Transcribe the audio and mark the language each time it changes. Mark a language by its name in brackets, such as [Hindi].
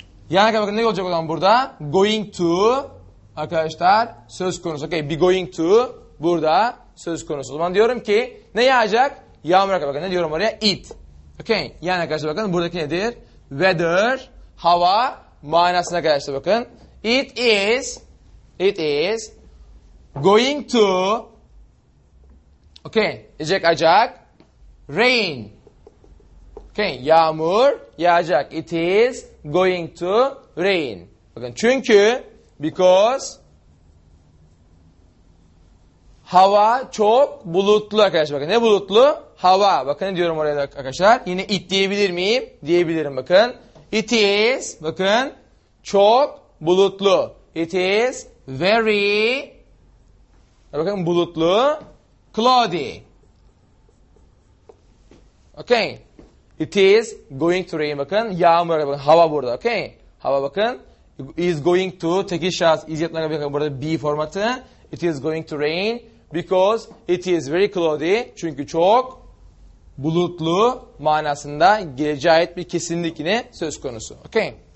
[Turkish] Yani bakın ne olacak o zaman burada? Going to arkadaşlar söz konusu. Okay, be going to burada söz konusu. O zaman diyorum ki ne yağacak? Yağmur yağacak. Bakın ne diyorum oraya? It. Okay. Yani arkadaşlar bakın buradaki nedir? Weather, hava manasına arkadaşlar bakın. [English] It is going to okay, yağacak rain. Okay, [Turkish] yağmur yağacak. [English] It is going to rain. [Turkish] Bakın çünkü because hava çok bulutlu arkadaşlar. Bakın ne bulutlu? Hava. Bakın ne diyorum oraya arkadaşlar. Yine it diyebilir miyim? Diyebilirim bakın. [English] It is [Turkish] bakın çok bulutlu. [English] It is very [Turkish] bakın bulutlu. [English] Cloudy. [Turkish] Okay. [English] It is going to rain. [Turkish] Bakın yağmur. Bakın hava burada. Okay. Hava bakın. Is going to. Tekil şahıs. Is yetmez. Bakın burada be formatı. [English] It is going to rain. Because it is very cloudy. [Turkish] Çünkü çok bulutlu manasında geleceğe ait bir kesinlik yine söz konusu. Okay.